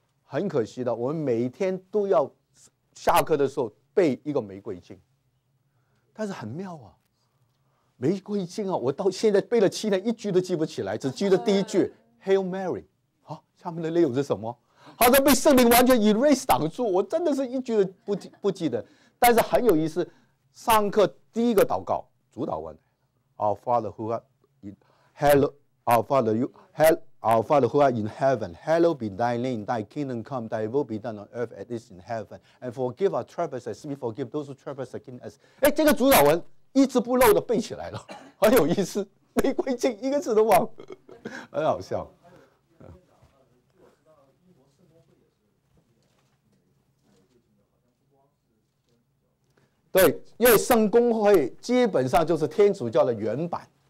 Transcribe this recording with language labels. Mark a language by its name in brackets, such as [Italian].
[Chinese] 很可惜的，我们每天都要下课的时候背一个玫瑰经，但是很妙啊，玫瑰经啊，我到现在背了七年，一句都记不起来，只记得第一句 [English] Hail Mary， [Chinese] 啊，下面的内容是什么？好像被圣灵完全 erase 挡住，我真的是一句都不记得。但是很有意思，上课第一个祷告主祷文 ， [English] Our Father who are in hello, Our Father you hello。 Our Father who art in heaven, hallowed be thy name, thy kingdom come, thy will be done on earth as it is in heaven. And forgive our trespasses, we forgive those who trespass against us. [Chinese] 哎，这个主导文一字不漏的背起来了，很有意思。玫瑰经一个字都忘，很好笑。对，因为圣公会基本上就是天主教的原版。